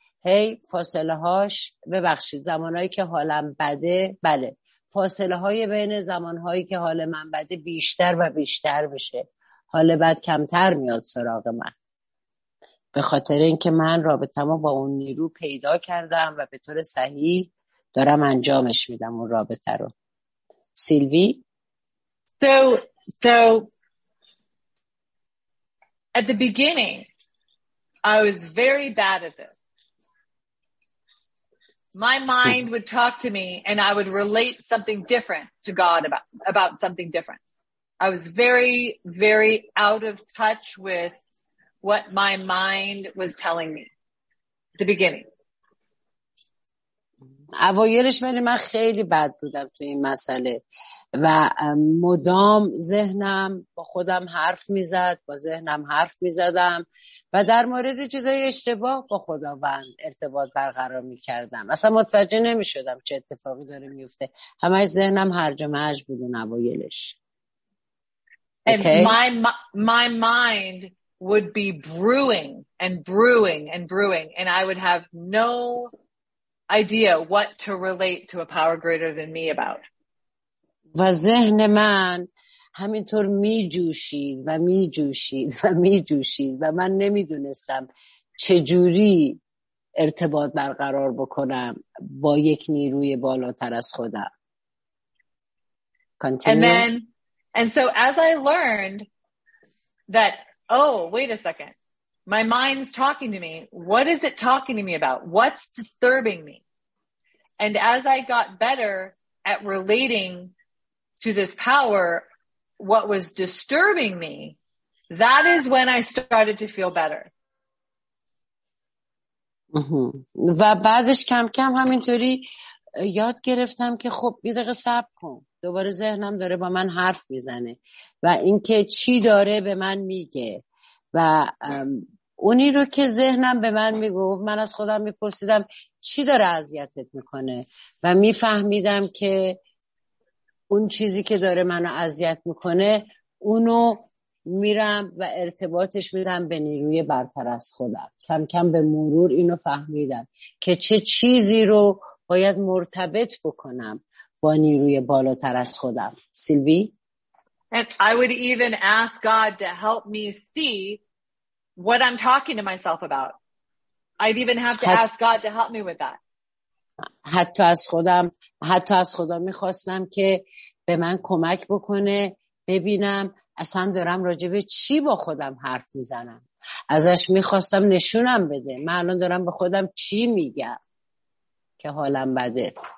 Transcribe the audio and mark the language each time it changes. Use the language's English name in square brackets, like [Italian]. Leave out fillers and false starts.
[Persian] هی فاصله هاش ببخشید زمانهایی که حالم بده بله فاصله های بین زمانهایی که حال من بده بیشتر و بیشتر میشه، حال بد کمتر میاد سراغ من به خاطر اینکه من رابطه‌ام با اون نیرو پیدا کردم و به طور صحیح دارم انجامش میدم اون رابطه رو. سیلوی [English] So at the beginning, I was very bad at this. My mind would talk to me and I would relate something different to God about something different. I was very, very out of touch with what my mind was telling me at the beginning. [Persian] اوایلش ولی من خیلی بد بودم تو این مسئله و مدام ذهنم با خودم حرف میزد، با ذهنم حرف میزدم و در مورد چیزای اشتباه با خداوند ارتباط برقرار میکردم، اصلا متوجه نمیشدم چه اتفاقی داره میفته، همه ذهنم هرج و مرج بود اون اوایلش. [English] Okay. My mind would be brewing and brewing and brewing and I would have no idea what to relate to a power greater than me about. [Persian] و ذهن من همینطور می جوشید و می جوشید و می جوشید و من نمی دونستم چجوری ارتباط برقرار بکنم با یک نیروی بالاتر از خودم. [English] Continue. And so as I learned that, oh, wait a second, my mind's talking to me. What is it talking to me about? What's disturbing me? And as I got better at relating to this power, what was disturbing me, that is when I started to feel better. [Persian] و بعدش کم کم همینطوری یاد گرفتم که خب یه دقیقه صبر کن، دوباره ذهنم داره با من حرف میزنه و اینکه چی داره به من میگه. و اونی رو که ذهنم به من میگفت، من از خودم میپرسیدم چی داره اذیتت میکنه و میفهمیدم که اون چیزی که داره منو اذیت میکنه اونو میرم و ارتباطش میدم به نیروی برتر از خودم. کم کم به مرور اینو فهمیدم که چه چیزی رو باید مرتبط بکنم با نیروی بالاتر از خودم. سیلوی؟ [English] And I would even ask God to help me see what I'm talking to myself about. I'd even have to ask God to help me with that. [Persian] حتی از خودم میخواستم که به من کمک بکنه ببینم اصلا دارم راجع به چی با خودم حرف میزنم. ازش میخواستم نشونم بده من الان دارم به خودم چی میگم که حالم بده.